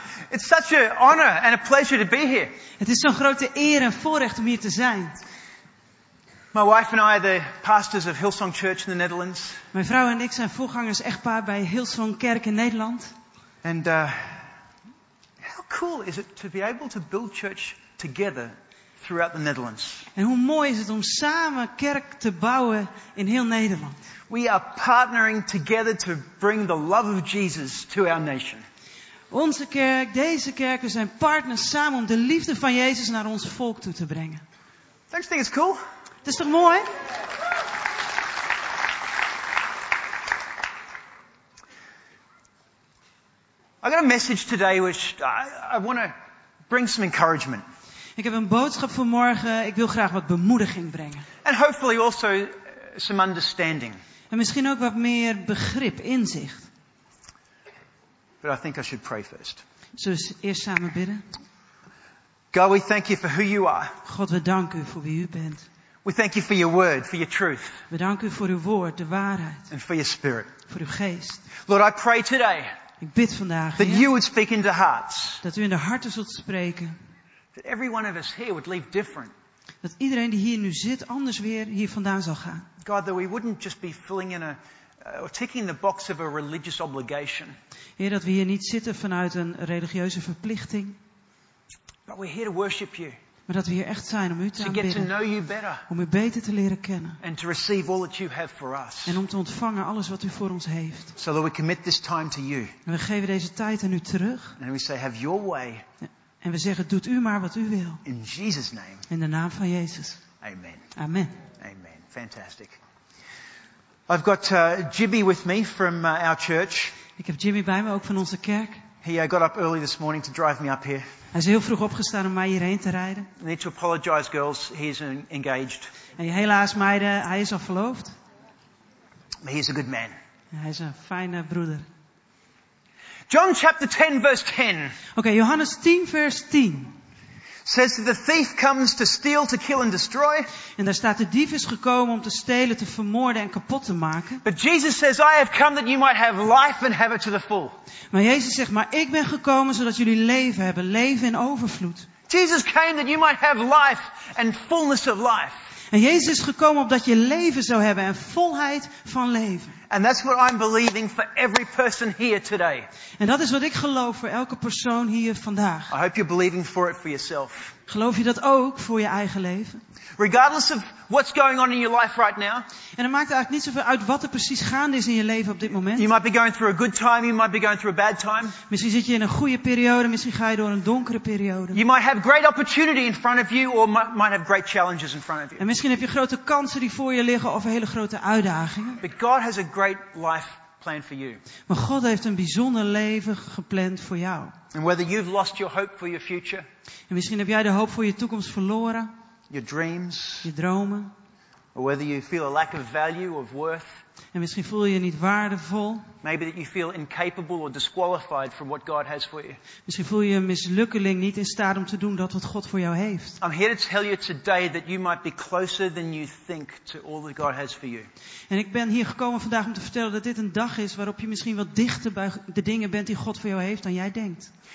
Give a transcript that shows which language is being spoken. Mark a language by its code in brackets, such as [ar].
[en] It's such an honor and a pleasure to be here. [nl] Het is zo'n grote eer en voorrecht om hier te zijn. [en] My wife and I are the pastors of Hillsong Church in the Netherlands. [nl] Mijn vrouw en ik zijn voorgangers echtpaar bij Hillsong Kerk in Nederland. [en] And how cool is it to be able to build church together throughout the Netherlands? [nl] En hoe mooi is het om samen kerk te bouwen in heel Nederland? [en] We are partnering together to bring the love of Jesus to our nation. [nl] Onze kerk, deze kerken zijn partners samen om de liefde van Jezus naar ons volk toe te brengen. [en] Don't you think it's cool? [nl] Het is toch mooi? [en] I got a message today which I want to bring some encouragement. [nl] Ik heb een boodschap voor morgen. Ik wil graag wat bemoediging brengen. [en] And hopefully also some understanding. [nl] En misschien ook wat meer begrip, inzicht. [en] But I think I should pray first. [nl] Zullen we eerst samen bidden? [en] God, we thank you for who you are. [nl] God, we danken u voor wie u bent. [en] We thank you for your word, for your truth. [nl] We danken u voor uw woord, de waarheid. [en] And for your spirit. [nl] Voor uw geest. [en] Lord, I pray today. [nl] Ik bid vandaag. [en] That you would speak into hearts. [nl] Dat u in de harten zult spreken. [en] That every one of us here would leave different. [nl] Dat iedereen die hier nu zit anders weer hier vandaan zal gaan. [en] God, that we wouldn't just be filling in a or ticking the box of a religious obligation. [nl] Heer, dat we hier niet zitten vanuit een religieuze verplichting. [en] But we're here to worship you. [nl] Maar dat we hier echt zijn om u te aanbidden. [en] To get to know you better. [nl] Om u beter te leren kennen. [en] And to receive all that you have for us. [nl] En om te ontvangen alles wat u voor ons heeft. [en] So that we commit this time to you. [nl] En we geven deze tijd aan u terug. [en] And we say, have your way. [nl] En we zeggen, doet u maar wat u wil. [en] In Jesus' name. [nl] In de naam van Jezus. [en] Amen. [nl] Amen. [en] Amen. Fantastic. I've got Jimmy with me from our church. [nl] Ik heb Jimmy bij me, ook van onze kerk. [en] He got up early this morning to drive me up here. [nl] Hij is heel vroeg opgestaan om mij hierheen te rijden. [en] I need to apologize, girls. He's engaged. [nl] En helaas, meiden, hij is al verloofd. [en] But he's a good man. [nl] Hij is een fijne broeder. [en] John chapter 10 verse 10. [nl] Okay, Johannes 10 verse 10. [en] Says that the thief comes to steal, to kill and destroy. [nl] En daar staat de dief is gekomen om te stelen, te vermoorden en kapot te maken. [en] But Jesus says, I have come that you might have life and have it to the full. [nl] Maar Jezus zegt, maar ik ben gekomen zodat jullie leven hebben, leven in overvloed. [en] Jesus came that you might have life and fullness of life. [nl] En Jezus is gekomen opdat je leven zou hebben en volheid van leven. [en] And that's what I'm believing for every person here today. [nl] En dat is wat ik geloof voor elke persoon hier vandaag. [en] I hope you're believing for it for yourself. [nl] Geloof je dat ook voor je eigen leven? [en] Regardless of what's going on in your life right now. [nl] En het maakt eigenlijk niet zoveel uit wat er precies gaande is in je leven op dit moment. [en] You might be going through a good time, you might be going through a bad time. [nl] Misschien zit je in een goede periode, misschien ga je door een donkere periode. [en] You might have great opportunity in front of you or might have great challenges in front of you. [nl] En misschien heb je grote kansen die voor je liggen of hele grote uitdagingen. [en] But God has a great life plan for you. [nl] Maar God heeft een bijzonder leven gepland voor jou. [en] And whether you've lost your hope for your future. [nl] En misschien heb jij de hoop voor je toekomst verloren. [en] Your dreams. [nl] Je dromen. [en] Or whether you feel a lack of value of worth. [nl] En misschien voel je je niet waardevol. [en] Maybe that you feel incapable or disqualified from what God has for you. [nl] Misschien voel je een mislukkeling, niet in staat om te doen dat wat God voor jou heeft. [en] I'm here to tell you today that you might be closer than you think to all that God has for you. [nl] En ik ben hier gekomen vandaag om te vertellen dat dit een dag is waarop je misschien wat dichter bij de dingen bent die God voor jou heeft dan jij denkt.